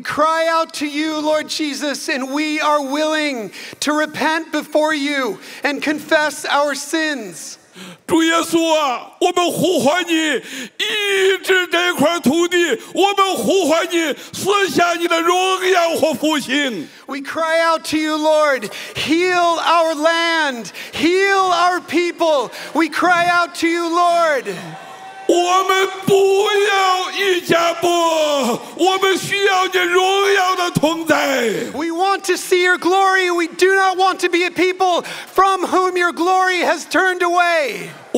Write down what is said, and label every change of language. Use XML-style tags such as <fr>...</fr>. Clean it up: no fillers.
<en>cry out to you, Lord Jesus, and we are willing to repent before you and confess our sins.</en> <zh>主耶稣啊，我们呼唤你医治这块土地，我们呼唤你赐下你的荣耀和复兴。</zh> <en>We cry out to you, Lord, heal our land, heal our people. We cry out to you, Lord.</en> <zh>我们不要一家播，我们需要你荣耀的同在。</zh> <en>We want to see your glory. We do not want to be a people from whom your glory has turned away.</en>